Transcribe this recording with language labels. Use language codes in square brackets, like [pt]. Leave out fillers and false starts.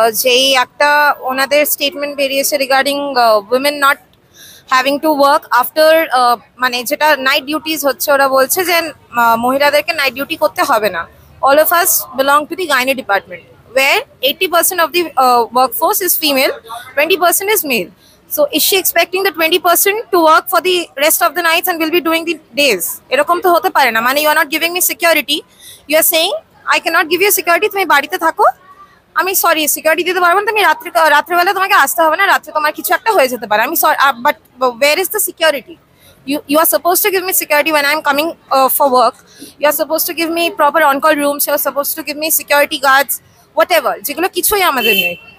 [bn] যেই একটা ওনাদের স্টেটমেন্ট বেরিয়েছে [en] regarding women not having to work after, [bn] মানে যেটা নাইট ডিউটিস হচ্ছে, ওরা বলছে যে মহিলাদেরকে নাইট ডিউটি করতে হবে না। [en] All of us belong to the gynae department where 80% of the work force is female, 20% is male. So is she expecting the 20% to work for the rest of the nights and will be doing the days? [bn] এরকম তো হতে পারে না, মানে [en] you are not giving me security, you are saying I can not give you security, [bn] তুমি বাড়িতে থাকো, আমি সরি সিকিউরিটি দিতে পারবো না, তুমি রাত্রিবেলা তোমাকে আসতে হবে না, রাত্রে তোমার কিছু একটা হয়ে যেতে পারে, আমি sorry, [en] But where is the security? You are suppose to give me security when I am coming for work, you are suppose to give me proper on call rooms, you are suppose to give me security guards, whatever, [bn] যেগুলো কিছুই আমাদের নেই।